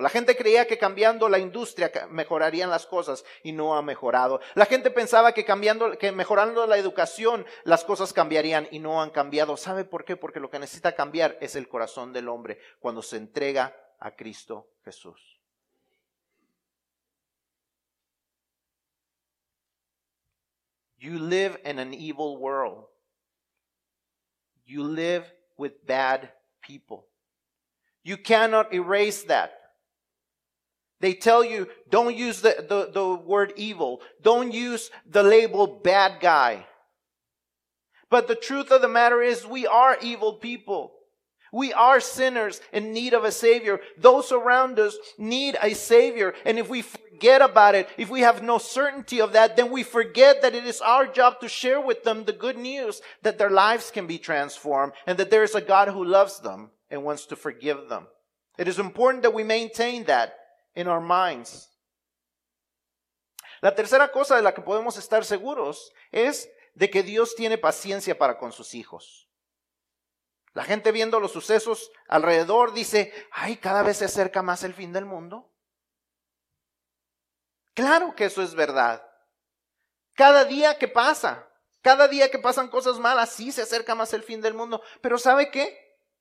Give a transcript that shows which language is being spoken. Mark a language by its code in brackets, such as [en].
[es] La gente creía que cambiando la industria mejorarían las cosas y no ha mejorado. La gente pensaba que cambiando, que mejorando la educación las cosas cambiarían y no han cambiado. ¿Sabe por qué? Porque lo que necesita cambiar es el corazón del hombre cuando se entrega a Cristo Jesús. [en] You live in an evil world. You live with bad people. You cannot erase that. They tell you, don't use the word evil. Don't use the label bad guy. But the truth of the matter is, we are evil people. We are sinners in need of a Savior. Those around us need a Savior. And if we forget about it, if we have no certainty of that, then we forget that it is our job to share with them the good news that their lives can be transformed and that there is a God who loves them and wants to forgive them. It is important that we maintain that in our minds. [es] La tercera cosa de la que podemos estar seguros es de que Dios tiene paciencia para con sus hijos. La gente viendo los sucesos alrededor dice, ay, cada vez se acerca más el fin del mundo. Claro que eso es verdad. Cada día que pasan cosas malas, sí se acerca más el fin del mundo. Pero ¿sabe qué?